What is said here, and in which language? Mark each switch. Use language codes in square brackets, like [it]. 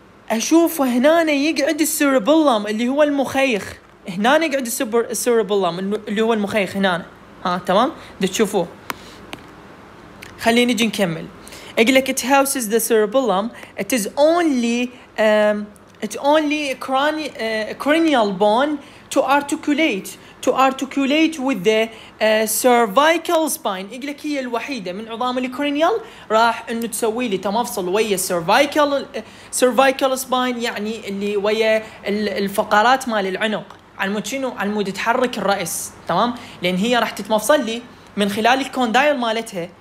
[ar] اشوف هنا يقعد السيربلم اللي هو المخيخ هنا يقعد السيربلم اللي هو المخيخ هنا ها تمام ده تشوفوه خليني نجي نكمل اقول لك [en] it houses the cerebellum it is only It's only cranial bone to articulate. To articulate with the cervical spine. [ar] يقلك هي الوحيدة من عظام الكرينيال راح إنه تسوي لي تمفصل ويا cervical cervical spine يعني اللي ويا الفقرات مال العنق. على مود شنو؟ على مود تحرك الرأس. تمام؟ لأن هي راح تتمفصل لي من خلال الكوندايل مالتها.